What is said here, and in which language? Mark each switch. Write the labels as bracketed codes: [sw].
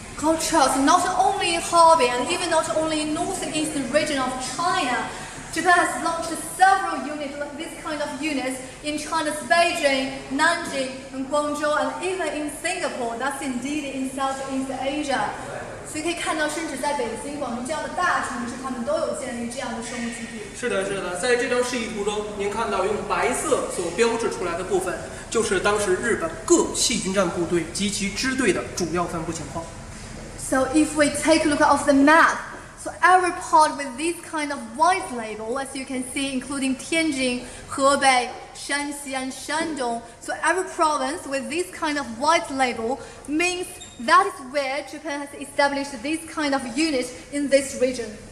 [en] Cultures, not only Harbin, even not only northeastern region of China, Japan has launched several units like this kind of units in China's Beijing, Nanjing, and Guangzhou, and even in Singapore. That's indeed in Southeast Asia. So you can see, [zh] 甚至在北京、广州这样的大城市，他们都有建立这样的生物基地。是的，是的，在这张示意图中，您看到用白色所标志出来的部分，就是当时日本各细菌战部队及其支队的主要分布情况。 [en] So if we take a look at the map. So every part with this kind of white label, as you can see, including Tianjin, Hebei, Shanxi, and Shandong. So every province with this kind of white label means that is where Japan has established this kind of unit in this region.